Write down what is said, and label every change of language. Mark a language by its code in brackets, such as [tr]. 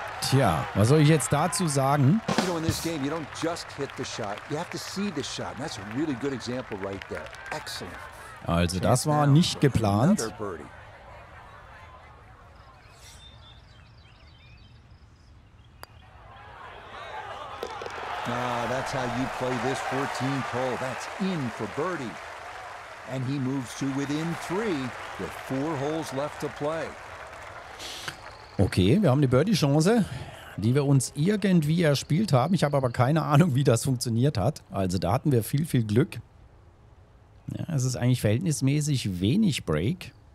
[de] Tja, was soll ich jetzt dazu sagen? [en] You know, in this game, you don't just hit the shot. You have to see the shot. And that's a really good example right there. Excellent. [de] Also, das war nicht geplant. [en] Ah, that's how you play this 14th hole. That's in for birdie. And he moves to within three with four holes left to play. [de] Okay, wir haben die Birdie-Chance, die wir uns irgendwie erspielt haben. Ich habe aber keine Ahnung, wie das funktioniert hat. Also da hatten wir viel, viel Glück. Ja, es ist eigentlich verhältnismäßig wenig Break.